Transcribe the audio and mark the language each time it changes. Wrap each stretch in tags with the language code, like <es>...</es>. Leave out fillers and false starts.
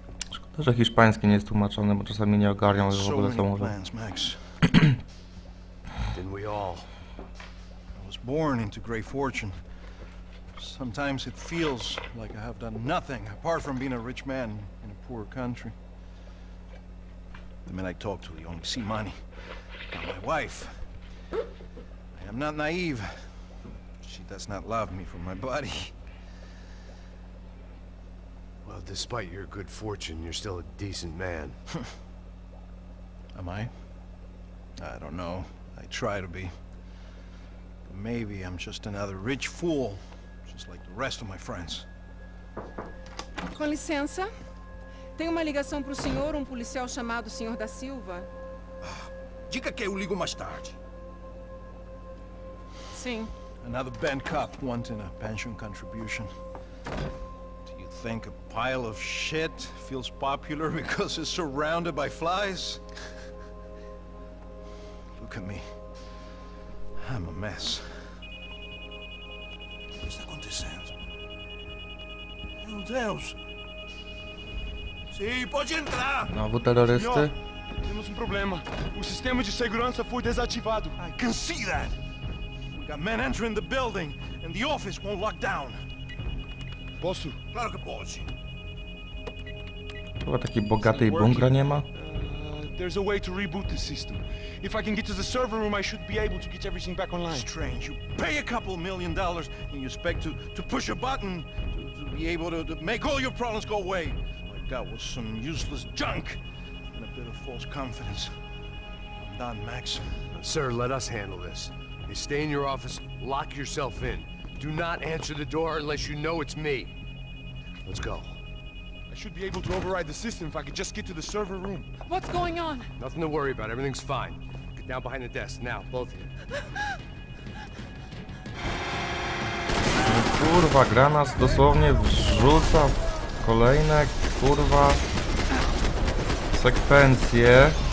<pl>Szkoda, że hiszpański nie jest tłumaczony, bo czasami nie ogarnią, że w ogóle to może.</pl> <en>Didn't we all? I was born into great fortune. Sometimes it feels like I have done nothing apart from being a rich man in a poor country. The men I talk to, they only see money. Not my wife. I am not naive. She does not love me for my body. Well, despite your good fortune, you're still a decent man. Am I? I don't know. I try to be. But maybe I'm just another rich fool, just like the rest of my friends.</en> <pt>Com licença. Tem uma ligação para o senhor, um policial chamado Senhor da Silva. Diga que eu ligo mais tarde. Sim.</pt> <en>Another bent cop wanting a pension contribution. Do you think a pile of shit feels popular because it's surrounded by flies? Look at me. I'm a mess.</en> <pt>O que está acontecendo? Meu Deus! Sim, pode entrar! Novo terrorista. Temos um problema. O sistema de segurança foi desativado.</pt> <en>I can see that. We got men entering the building, and the office won't lock down.</en> <pt>Posso? Claro que pode.</pt> <pl>Chyba taki bogaty i bunkra nie ma?</pl> <en>There's a way to reboot the system. If I can get to the server room, I should be able to get everything back online. Strange. You pay a couple million dollars, and you expect to push a button to be able to make all your problems go away. Got was some useless junk and a bit of false confidence. I'm done, Max. Sir, let us handle this. You stay in your office, lock yourself in. Do not answer the door unless you know it's me. Let's go. I should be able to override the system if I could just get to the server room. What's going on? Nothing to worry about. Everything's fine. Get down behind the desk now, both of you.</en> <pl>Kurwa, gra nas dosłownie wrzuca w kolejne, kurwa, sekwencje.</pl>